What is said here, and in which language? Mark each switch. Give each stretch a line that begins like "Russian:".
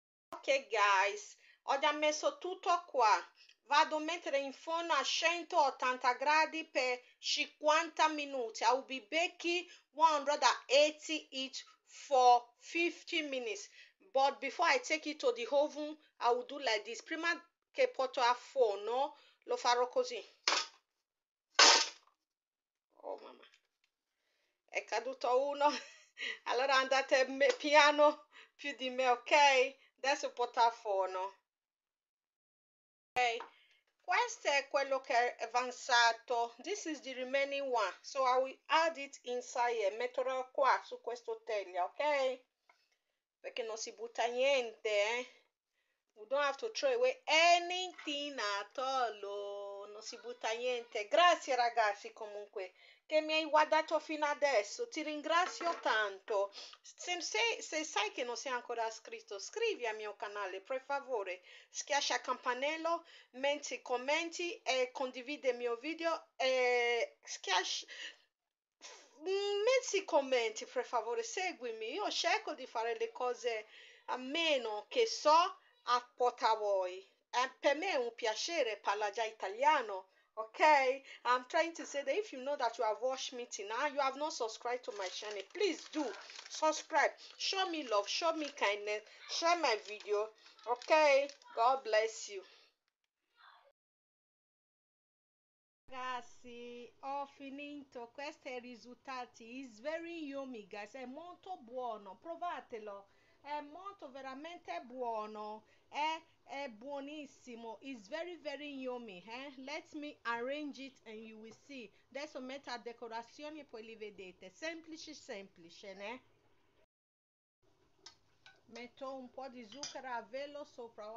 Italian: Ok, guys, ho già messo tutto qua. Vado a mettere in forno a 180 gradi per 50 minuti.
English: I'll be baking 180 heat for 15 minutes. But before I take it to the oven, I will do like this.
Italian: Prima che porto al forno, lo farò così. Oh mamma, è caduto uno. Allora andate piano più di me, ok? Adesso porto al forno. Ok, questo è quello che è avanzato.
English: This is the remaining one. So I will add it inside
Italian: e metterò qua su questo teglia, ok? Perché non si butta niente, eh?
English: We don't have to throw away anything at all.
Italian: Non si butta niente. Grazie ragazzi, comunque, che mi hai guardato fino adesso. Ti ringrazio tanto. Se sai che non sei ancora iscritto, iscriviti al mio canale, per favore. Schiaccia il campanello, metti commenti e condividi il mio video. Metti commenti, per favore, seguimi. Io cerco di fare le cose a meno che so a porta voi. Per me è un piacere parlare già italiano.
English: Okay, I'm trying to say that if you know that you have watched me till now, you have not subscribed to my channel, please do subscribe. Show me love, show me kindness, share my video. Okay, God bless you.
Italian: Ragazzi, ho finito. Questi sono i risultati.
English: It's very yummy, guys.
Italian: È molto buono. Provatelo. È molto, veramente buono. È buonissimo,
English: it's very very yummy, eh? Let me arrange it and you will see.
Italian: Adesso metto a decorazione e poi li vedete. Semplice, semplice, eh? Metto un po' di zucchero a velo sopra.